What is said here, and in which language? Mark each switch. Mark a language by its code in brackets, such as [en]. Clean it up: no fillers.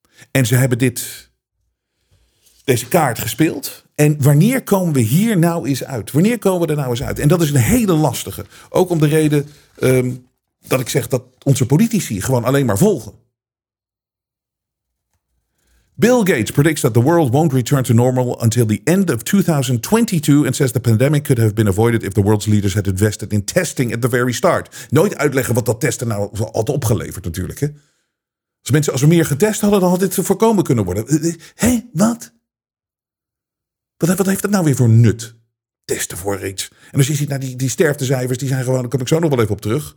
[nl] En ze hebben deze kaart gespeeld. En wanneer komen we hier nou eens uit? Wanneer komen we er nou eens uit? En dat is een hele lastige. Ook om de reden dat ik zeg dat onze politici gewoon alleen maar volgen. [en] Bill Gates predicts that the world won't return to normal until the end of 2022 and says the pandemic could have been avoided if the world's leaders had invested in testing at the very start. [nl] Nooit uitleggen wat dat testen nou had opgeleverd natuurlijk. Hè? Als we meer getest hadden, dan had dit voorkomen kunnen worden. Hé, wat? Wat heeft dat nou weer voor nut? Testen voor iets. En als je ziet naar die sterftecijfers, die zijn gewoon, daar kom ik zo nog wel even op terug.